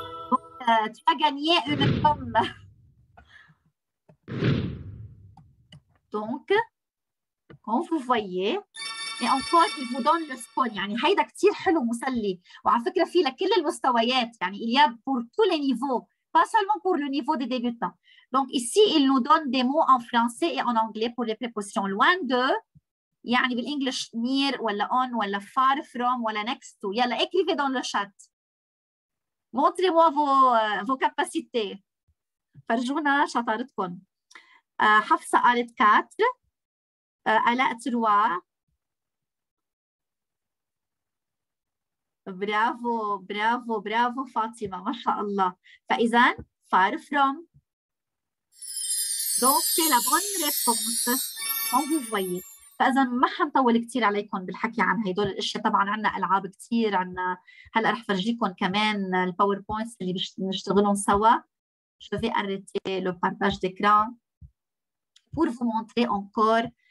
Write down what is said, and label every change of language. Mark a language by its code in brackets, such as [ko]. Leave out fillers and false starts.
[fr] Donc, tu as gagné une pomme. Donc, comme vous voyez, et encore, il vous donne le score. [ar] يعني, [en] hey, that's [ar] كتير حلو مسلي. وعلى فكرة في لكل المستويات. يعني, [fr] il y a pour tous les niveaux. Pas seulement pour le niveau des débutants. Donc ici, il nous donne des mots en français et en anglais pour les prépositions loin de. [ar] يعني بالانجلش near ou on ou far from ou next to. يلا [fr] écrivez dans le chat. Montrez-moi vos capacités. [ar] فرجونا شطارتكم. حفصة قالت 4. علاء 3. برافو برافو برافو فاطمة ما شاء الله. فإذا far from. [fr] Donc c'est la bonne réponse. Comme vous voyez. [ar] فإذا ما حنطول كتير عليكم بالحكي عن هيدول الأشياء. طبعا عنا ألعاب كتير عنا. هلا رح فرجيكم كمان الباوربوينتس اللي بنشتغلهم سوا. [fr] Je vais arrêter le partage d'écran pour vous montrer encore.